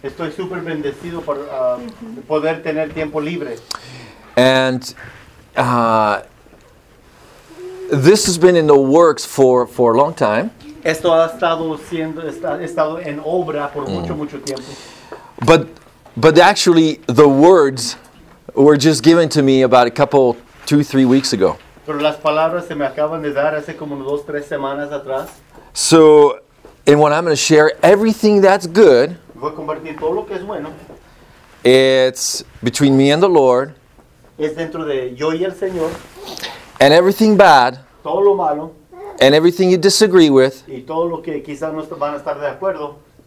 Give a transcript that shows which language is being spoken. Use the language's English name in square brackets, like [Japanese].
[Spanish] Estoy super bendecido por poder tener tiempo libre. [English] And this has been in the works for a long time. [Spanish] Esto ha estado en obra por mucho tiempo. [English] But But actually, the words were just given to me about a couple, 2-3 weeks ago. [Spanish] Pero las palabras se me acaban de dar hace como 2-3 semanas atrás. [English] So, and what I'm going to share, everything that's good, [Spanish] voy a compartir todo lo que es bueno. [English] It's between me and the Lord. [Spanish] Es dentro de yo y el Señor. [English] And everything bad, [Spanish] todo lo malo, [English] and everything you disagree with, [Spanish] y todo lo que quizás no van a estar de acuerdo,